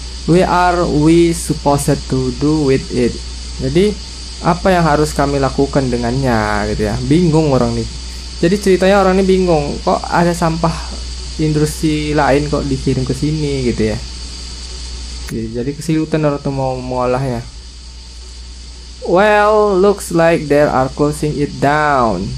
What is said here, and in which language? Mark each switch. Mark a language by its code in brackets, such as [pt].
[en] We are we supposed to do with it. [id] Jadi apa yang harus kami lakukan dengannya gitu ya. Bingung orang nih. Jadi ceritanya orang ini bingung, kok ada sampah industri lain kok dikirim ke sini gitu ya. Jadi kesulitan orang tuh mau mengolahnya. [en] Well, looks like they are closing it down.